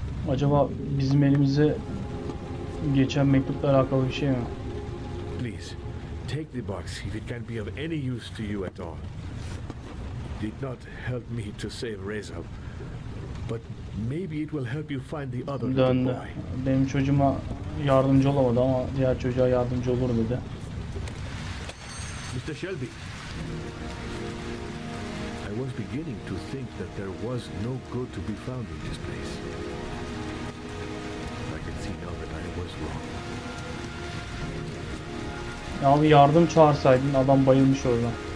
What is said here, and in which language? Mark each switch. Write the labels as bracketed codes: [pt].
[tr] Acaba bizim elimize geçen mektupla alakalı bir şey mi? [en] Please. Take the box if it can be of any use to you at all. did not help me to save Reza. But maybe it will help you find the other boy. [tr] Döndü. Benim çocuğuma yardımcı olamadı ama diğer çocuğa yardımcı olur dedi. [en] Mr. Shelby. I was beginning to think that there was no good to be found in this place. I can see now that I was wrong. [tr] Ya abi yardım çağırsaydın adam bayılmış orada.